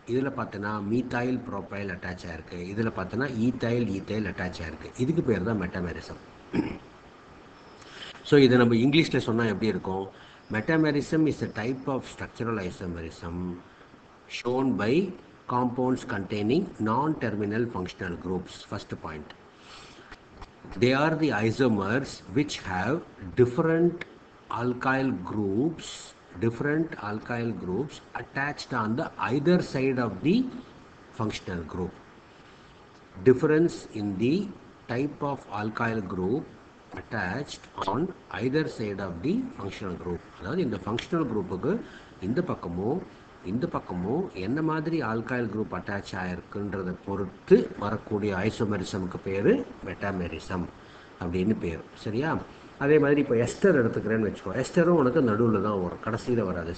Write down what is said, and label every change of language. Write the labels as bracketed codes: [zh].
[ta] இதில் பார்த்தீங்கன்னா மீத்தாயில் ப்ரோப்பைல் அட்டாச்சாக இருக்குது, இதில் பார்த்தீங்கன்னா ஈத்தாயில் ஈத்தைல் அட்டாச்சாக இருக்குது. இதுக்கு பேர் தான் மெட்டாமெரிசம். ஸோ இதை நம்ம இங்கிலீஷில் சொன்னால் எப்படி இருக்கும்? [en] Metamerism is a type of structural isomerism shown by compounds containing non-terminal functional groups. First point, they are the isomers which have different alkyl groups, different alkyl groups attached on the either side of the functional group. Difference in the type of alkyl group attached on either side of the functional group. [ta] அதாவது இந்த functional groupக்கு இந்த பக்கமோ இந்த பக்கமும் என்ன மாதிரி ஆல்காயில் group attach ஆயிருக்குன்றதை பொறுத்து வரக்கூடிய ஐசோமெரிசமுக்கு பேர் மெட்டாமெரிசம் அப்படின்னு பேர். சரியா? அதே மாதிரி இப்போ எஸ்டர் எடுத்துக்கிறேன்னு வச்சுக்கோ, எஸ்டரும் உனக்கு நடுவில் தான் வரும், கடைசியில் வராது.